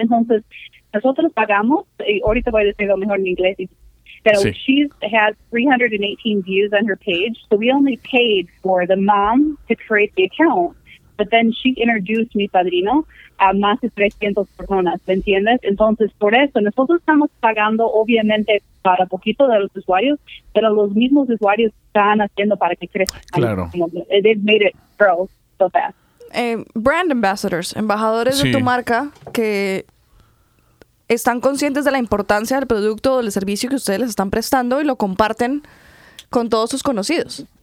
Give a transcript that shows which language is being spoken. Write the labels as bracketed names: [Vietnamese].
[Spanish] Entonces, nosotros pagamos, y ahorita voy a decirlo mejor en inglés, pero sí. [English] She has 318 views on her page, so we only paid for the mom to create the account. But then she introduced [Spanish] Mi Padrino a más de 300 personas, ¿me entiendes? Entonces, por eso, nosotros estamos pagando, obviamente, para poquito de los usuarios, pero los mismos usuarios están haciendo para que crezca. Claro. [English] They've made it grow so fast. Brand ambassadors, [Spanish] embajadores sí. De tu marca que están conscientes de la importancia del producto o del servicio que ustedes les están prestando y lo comparten con todos sus conocidos.